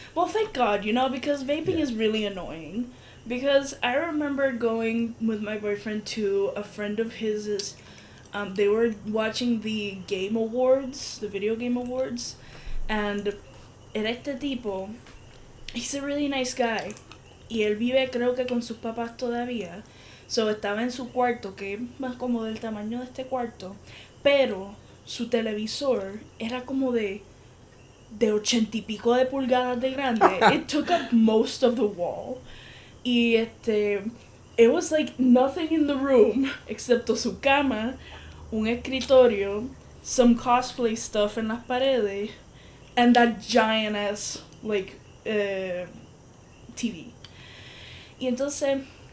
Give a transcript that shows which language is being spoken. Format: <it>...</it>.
<en>Well, thank God, you know, because vaping is really annoying. Because I remember going with my boyfriend to a friend of his. They were watching the game awards, the video game awards. And Erecta Tipo, he's a really nice guy.</en> <es>Y él vive, creo que, con sus papás todavía. So, estaba en su cuarto, que es más como del tamaño de este cuarto, pero su televisor era como de 80 y pico de pulgadas de grande.</es> <en>It took up most of the wall. Y it was like nothing in the room,</en> <es>excepto su cama, un escritorio,</es> <en>some cosplay stuff</en> <es>en las paredes,</es> <en>and that giant ass, like, TV.</en> <es>Y entonces...</es>